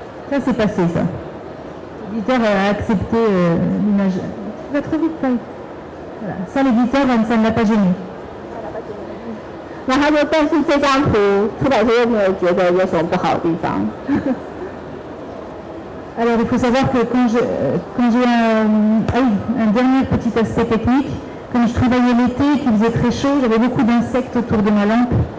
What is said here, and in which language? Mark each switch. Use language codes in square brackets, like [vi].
[fr] Ça s'est passé, ça. L'éditeur a accepté l'image. Tu vas très vite, Taï. Ça, l'éditeur, ça ne l'a pas gêné. [zh] 但是这张图出版社又没有觉得有什么不好的地方。 [fr] Alors il faut savoir que quand j'ai un dernier petit aspect technique, quand je travaillais l'été, qu'il faisait très chaud, j'avais beaucoup d'insectes autour de ma lampe,